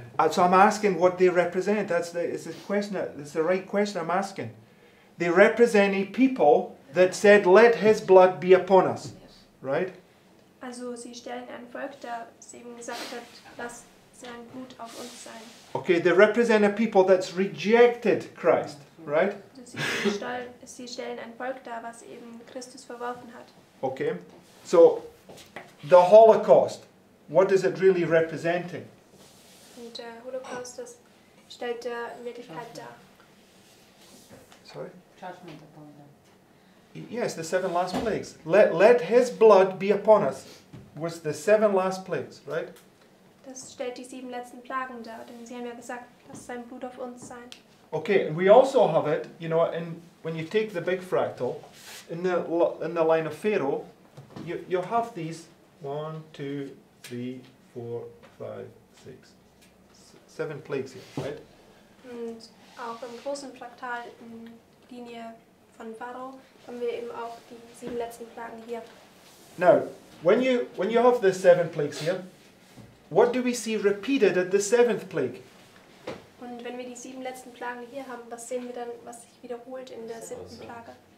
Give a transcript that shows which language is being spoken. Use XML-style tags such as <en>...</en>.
<en>So I'm asking what they represent. It's the question. It's the right question I'm asking. They represent a people that said, "Let His blood be upon us," yes. Right?</en> <de>Also, sie stellen ein Volk, das eben gesagt hat, lass sein Blut auf uns sein.</de> <en>Okay, they represent a people that's rejected Christ, right?</en> <de>Sie stellen ein Volk da, was eben Christus verworfen hat.</de> <en>Okay, so the Holocaust. What is it really representing?</en> <de>Und der Holocaust, das stellt der Wirklichkeit dar.</de> <en>Sorry? Judgment upon them. Yes, the seven last plagues. Let his blood be upon us. Was the seven last plagues, right?</en> <de>Das stellt die sieben letzten Plagen dar. Denn sie haben ja gesagt, lass sein Blut auf uns sein.</de> <en>Okay, and we also have it, you know, and when you take the big fractal, in the line of Pharaoh, you have these 1, 2, 3, 4, 5, 6. Seven plagues here, right?</en> <de>Und auch im großen Fraktal in Linie von Pharao haben wir eben auch die sieben letzten Plagen hier.</de> <en>Now, When you have the seven plagues here, what do we see repeated at the seventh plague?</en> <de>Und wenn wir die sieben letzten Plagen hier haben, was sehen wir dann, was sich wiederholt in der siebten Plage?</de>